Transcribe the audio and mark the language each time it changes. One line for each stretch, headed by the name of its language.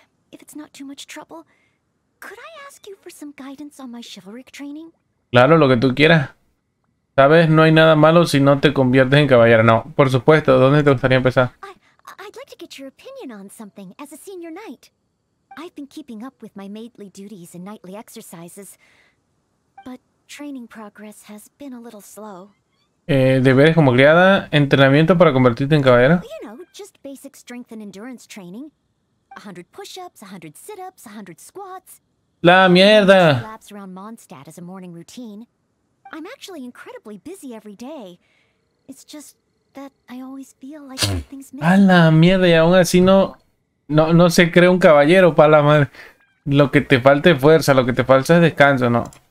English: If it's not too much trouble, could I ask you for some guidance on my chivalric training?
Spanish: Claro, lo que tú quieras. Sabes, no hay nada malo si no te conviertes en caballero. No, por supuesto. ¿Dónde te gustaría empezar?
English: I'd like to get your opinion on something as a senior knight. I've been keeping up with my maidly duties and knightly exercises, but training progress has been a little slow.
Spanish: Deberes como criada, entrenamiento para convertirte en caballero.
English: You know, just basic strength and endurance training. 100 push-ups, 100 sit-ups, 100 squats.
Spanish: La mierda.
English: Laps around Mondstadt as a morning routine. I'm actually incredibly busy every day. It's just that I always feel like something's missing.
Spanish: A la mierda, y aún así no se cree un caballero, pa la madre. Lo que te falta es fuerza, lo que te falta es descanso, ¿no?